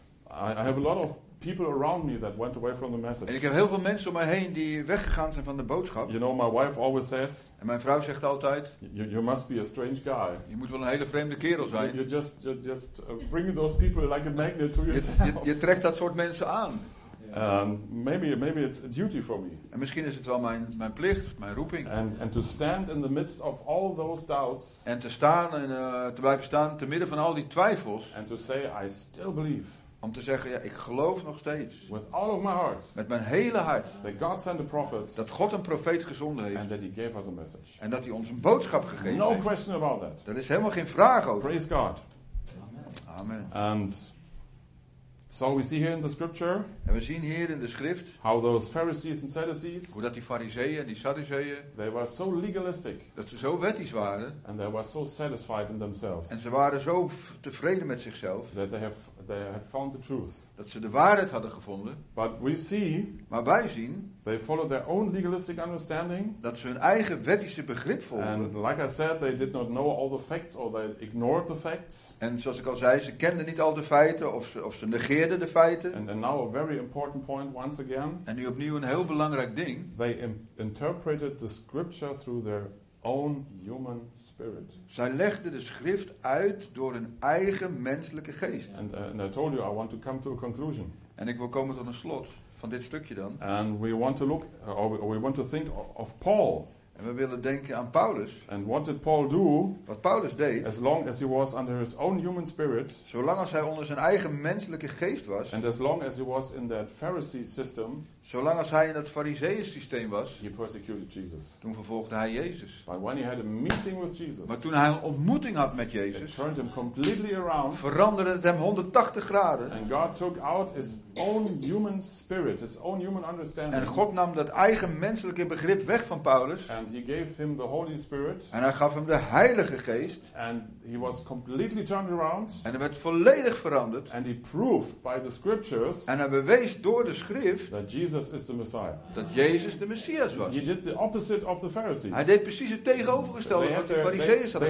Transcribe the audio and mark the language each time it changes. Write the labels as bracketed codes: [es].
[en] I have a lot of people around me that went away from the message. [nl] En ik heb heel veel mensen om mij heen die weggegaan zijn van de boodschap. [en] You know, my wife always says. [nl] En mijn vrouw zegt altijd. [en] You must be a strange guy. [nl] Je moet wel een hele vreemde kerel zijn. [en] You just bring those people like a magnet to yourself. [nl] Je trekt dat soort mensen aan. [en] Maybe it's a duty for me. [nl] En misschien is het wel mijn plicht, mijn roeping. [en] And to stand in the midst of all those doubts. [nl] En te staan en te blijven staan te midden van al die twijfels. [en] And to say I still believe. [nl] Om te zeggen ja, ik geloof nog steeds. [en] With all of my heart. [nl] Met mijn hele hart. [en] That God sent a prophet. [nl] Dat God een profeet gezonden heeft. [en] And that he gave us a message. [nl] En dat hij ons een boodschap gegeven no heeft. [en] No question about that. [nl] Daar is helemaal geen vraag over. [en] Praise God. [nl] Amen. [en] And so we see here in the scripture. [nl] En we zien hier in de schrift. [en] How those Pharisees and Sadducees. [nl] Hoe dat die Farizeeën en die Sadduceeën. [en] They were so legalistic. [nl] Dat ze zo wettisch waren. [en] And they were so satisfied in themselves. [nl] En ze waren zo tevreden met zichzelf. [en] That they had found the truth. [nl] Dat ze de waarheid hadden gevonden. [en] But we see. [nl] Maar wij zien. [en] They followed their own legalistic understanding. [nl] Dat ze hun eigen wettische begrip volgden. [en] And like I said, they did not know all the facts or they ignored the facts. [nl] En zoals ik al zei, ze kenden niet al de feiten of ze negeerden de feiten. [en] And now a very important point once again. [nl] En nu opnieuw een heel belangrijk ding. [en] They interpreted the scripture through their own human spirit. [nl] Zij legden de schrift uit door hun eigen menselijke geest. [en] And I told you I want to come to a conclusion. [nl] En ik wil komen tot een slot. Van dit stukje dan. [en] And we want to look, or we want to think of Paul. [nl] En we willen denken aan Paulus. [en] And what did Paul do? [nl] Wat Paulus deed. [en] As long as he was under his own human spirit. [nl] Zolang als hij onder zijn eigen menselijke geest was. [en] And as long as he was in that Pharisee system. [nl] Zolang als hij in dat Farizeeën systeem was. [en] He persecuted Jesus. [nl] Toen vervolgde hij Jezus. [en] But when he had a meeting with Jesus. [nl] Maar toen hij een ontmoeting had met Jezus. [en] It turned him completely around. [nl] Veranderde het hem 180 graden. [en] And God took out his own human spirit, his own human understanding. [nl] En God nam dat eigen menselijke begrip weg van Paulus. [en] And he gave him the Holy Spirit. [nl] En hij gaf hem de Heilige Geest. [en] And he was completely turned around. [nl] En hij werd volledig veranderd. [en] And he proved by the scriptures. [nl] En hij bewees door de schrift. [en] That Jesus is the Messiah. [nl] Dat Jezus de Messias was. [en] He did the opposite of the Pharisees. [nl] Hij deed precies het tegenovergestelde wat de Farizeeën hadden gedaan.